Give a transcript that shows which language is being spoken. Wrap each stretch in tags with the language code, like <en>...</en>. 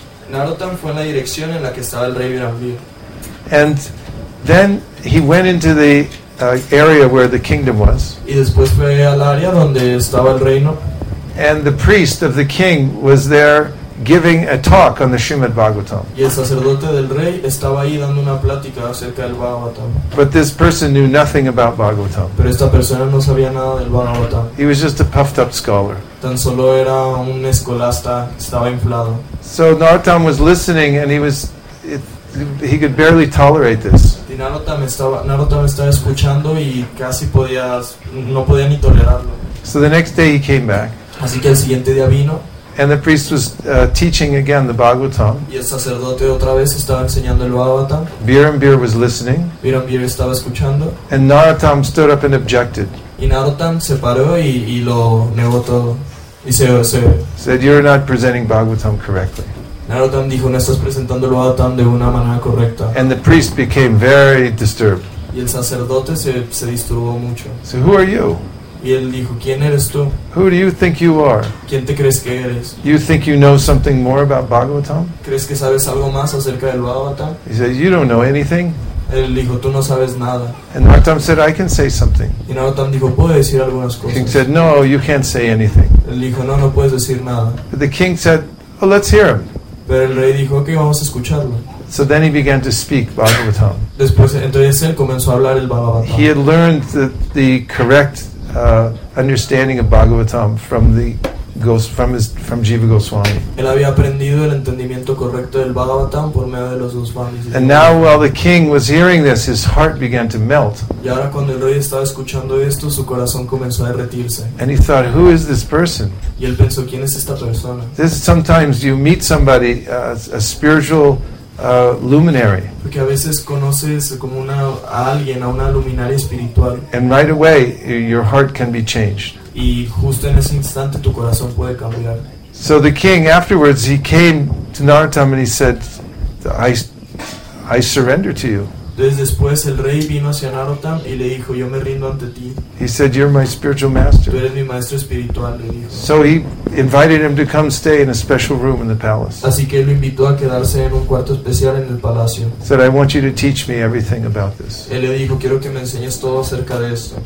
<es>Nartam fue en la dirección en la que estaba el rey Birambir.</es> <en>And then he went into the area where the kingdom was.</en> <es>Y después fue al área donde estaba el reino.</es> <en>And the priest of the king was there giving a talk on the Srimad Bhagavatam.</en> <es>Y el sacerdote del rey estaba ahí dando una plática acerca del Bhagavatam.</es> <en>But this person knew nothing about Bhagavatam.</en> <es>Pero esta persona no sabía nada del Bhagavatam.</es> <en>He was just a puffed up scholar.</en> <es>Tan solo era un escolasta, estaba inflado.</es> <en>So Nartam was listening and he could barely tolerate this.</en> <es>Y Nartam estaba escuchando y casi podía, no podía ni tolerarlo.</es> <en>So the next day he came back.</en> <es>Así que el siguiente día vino.</es> <en>And the priest was teaching again the Bhagavatam.</en> <es>Y el sacerdote otra vez estaba enseñando el Bhagavatam.</es> <en>Birambir was listening.</en> <es>Birambir estaba escuchando.</es> <en>And Nartam stood up and objected.</en> <es>Y Nartam se paró y lo negó todo. Y</es> <en>said, "You're not presenting Bhagavatam correctly."</en> <es>Nartam dijo, "No estás presentando el Bhagavatam de una manera correcta."</es> <en>And the priest became very disturbed.</en> <es>Y el sacerdote se disturbó mucho.</es> <en>So who are you?</en> <es>Y él dijo, ¿quién eres tú?</es> <en>Who do you think you are?</en> <es>¿Quién te crees que eres?</es> <en>You think you know something more about Bhagavatam?</en> <es>¿Crees que sabes algo más acerca del Bhagavatam?</es> <en>He said, you don't know anything.</en> <es>Él dijo, tú no sabes nada.</es> <en>And Narottam said, I can say something.</en> <es>Y Narottam dijo, puedo decir algunas cosas.</es> <en>King said, no, you can't say anything.</en> <es>Él dijo, no, no puedes decir nada.</es> <en>But the king said, well, let's hear him.</en> <es>Pero el rey dijo, okay, vamos a escucharlo.</es> <en>So then he began to speak Bhagavatam.</en> <es>Después, entonces él comenzó a hablar el Bhagavatam.</es> <en>He had learned the correct understanding of Bhagavatam from Jiva Goswami.</en> <es>Él había aprendido el entendimiento correcto del Bhagavatam por medio de los Goswamis.</es> <en>And now, while the king was hearing this, his heart began to melt.</en> <es>Y ahora cuando el rey estaba escuchando esto, su corazón comenzó a derretirse.</es> <en>And he thought, who is this person?</en> <es>Y él pensó, ¿quién es esta persona?</es> <en>This is sometimes you meet somebody a spiritual luminary.</en> <es>Porque a veces conoces como una a alguien, a una luminaria espiritual.</es> <en>And right away, your heart can be changed.</en> <es>Y justo en ese instante tu corazón puede cambiar.</es> <en>So the king afterwards he came to Narottam and he said, I surrender to you.</en> <es>Entonces después el rey vino hacia Narottam y le dijo, yo me rindo ante ti.</es> <en>He said, you're my spiritual master.</en> <es>Tú eres mi maestro espiritual, le dijo.</es> <en>So he invited him to come stay in a special room in the palace.</en> <es>Así que él lo invitó a quedarse en un cuarto especial en el palacio.</es> <en>Said, I want you to teach me everything about this.</en> <es>Él le dijo, quiero que me enseñes todo acerca de esto.</es>